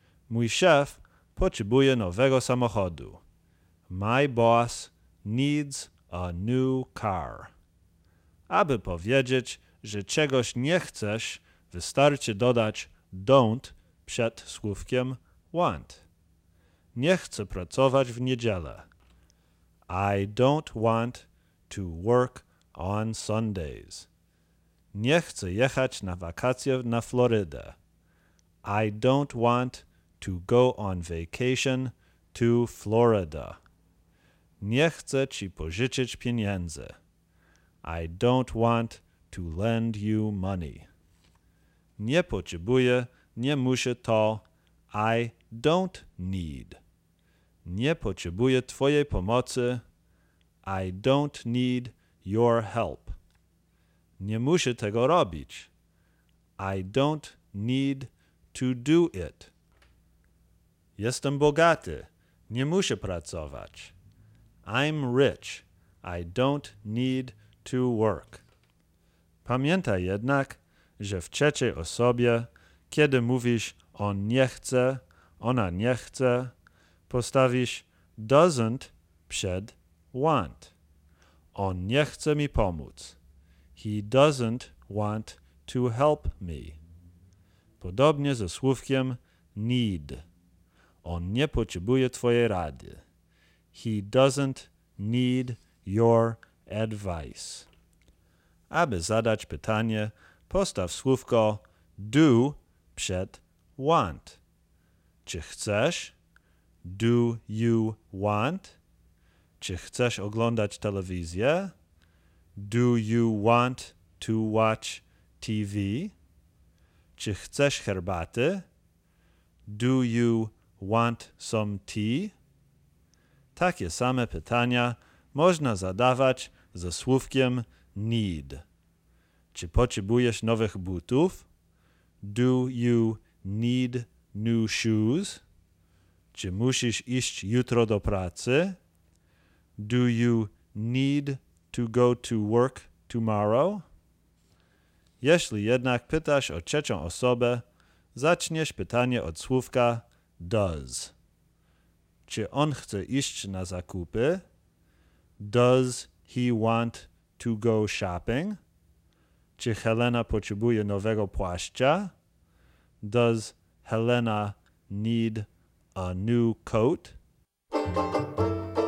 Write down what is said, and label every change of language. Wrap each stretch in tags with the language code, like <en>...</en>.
<pl>Mój szef potrzebuje nowego samochodu.</pl> <en>My boss needs a new car.</en> <pl>Aby powiedzieć, że czegoś nie chcesz, wystarczy dodać don't przed słówkiem want. Nie chcę pracować w niedzielę.</pl> <en>I don't want to work on Sundays.</en> <pl>Nie chcę jechać na wakacje na Florydę.</pl> <en>I don't want to go on vacation to Florida.</en> <pl>Nie chcę ci pożyczyć pieniędzy.</pl> <en>I don't want to lend you money.</en> <pl>Nie potrzebuję, nie muszę to.</pl> <en>I don't need.</en> <pl>Nie potrzebuję twojej pomocy.</pl> <en>I don't need your help.</en> <pl>Nie muszę tego robić.</pl> <en>I don't need to do it.</en> <pl>Jestem bogaty. Nie muszę pracować.</pl> <en>I'm rich. I don't need to work.</en> <pl>Pamiętaj jednak, że w trzeciej osobie, kiedy mówisz on nie chce, ona nie chce, postawisz doesn't przed want. On nie chce mi pomóc.</pl> <en>He doesn't want to help me.</en> <pl>Podobnie ze słówkiem need. On nie potrzebuje twojej rady.</pl> <en>He doesn't need your advice.</en> <pl>Aby zadać pytanie, postaw słówko do przed want. Czy chcesz?</pl> <en>Do you want?</en> <pl>Czy chcesz oglądać telewizję?</pl> <en>Do you want to watch TV?</en> <pl>Czy chcesz herbaty?</pl> <en>Do you want some tea?</en> <pl>takie same pytania można zadawać ze słówkiem need. Czy potrzebujesz nowych butów?</pl> <en>Do you need new shoes?</en> <pl>Czy musisz iść jutro do pracy?</pl> <en>Do you need to go to work tomorrow?</en> <pl>Jeśli jednak pytasz o trzecią osobę, zaczniesz pytanie od słówka does. Czy on chce iść na zakupy?</pl> <en>Does he want to go shopping?</en> <pl>Czy Helena potrzebuje nowego płaszcza?</pl> <en>Does Helena need a new coat?</en>